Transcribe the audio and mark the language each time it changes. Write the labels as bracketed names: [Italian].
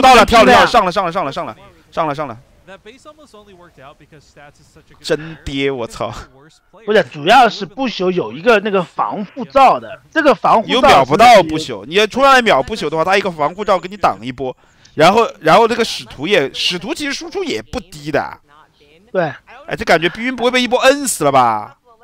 [Chinese] 到了，跳了跳，上了上了上了上了上了上了。 [English] That base almost only worked out because stats is such a good. [Chinese] 真爹，我操！不是，主要是不朽有一个那个防护罩的，这个防护罩有秒不到不朽。你要出来秒不朽的话，他一个防护罩给你挡一波，然后这个使徒其实输出也不低的。对，哎，这感觉冰云不会被一波摁死了吧？